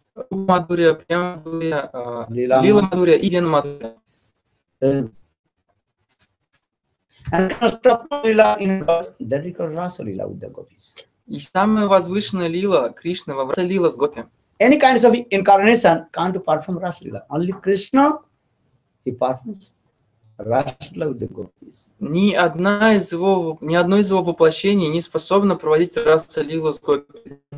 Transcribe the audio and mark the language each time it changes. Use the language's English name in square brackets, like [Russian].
[Russian] Мадурия, прямо Мадурия, Лила Мадурия и Вена Мадурия. [English] And Krishna's Lila in that is called Rasa Lila with the gopis. [Russian] И самая возвышенная лила Кришны во Раса Лила с гопи. [English] Any kind of incarnation can't perform Rasa Lila. Only Krishna he performs Rasa Lila with the gopis. [Russian] Ни одно из его воплощений не способно проводить Раса Лила с гопи.